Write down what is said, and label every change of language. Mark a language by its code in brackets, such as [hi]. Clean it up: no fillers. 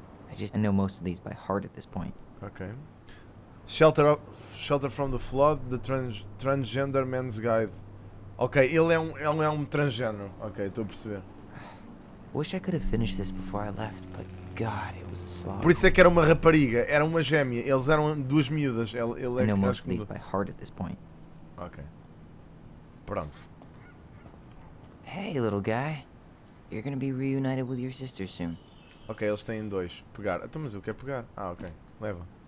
[en] I know most of these by heart at this point. Okay. Shelter from the Flood, the Transgender Man's Guide. [pt] Okay, ele é um transgênero. Okay, estou a perceber. [en] Wish I could have finished this before I left, but God, it was a slog. [pt] Por isso é que era uma rapariga, era uma gêmea. Eles eram duas miúdas. Ele [en] I know most of these by heart at this point. [pt] Okay. Pronto. [en] Hey, little guy. You're gonna be reunited with your sister soon. [pt] Ok, eles têm dois. Pegar. Então, mas eu quero pegar. Ah, ok. Leva.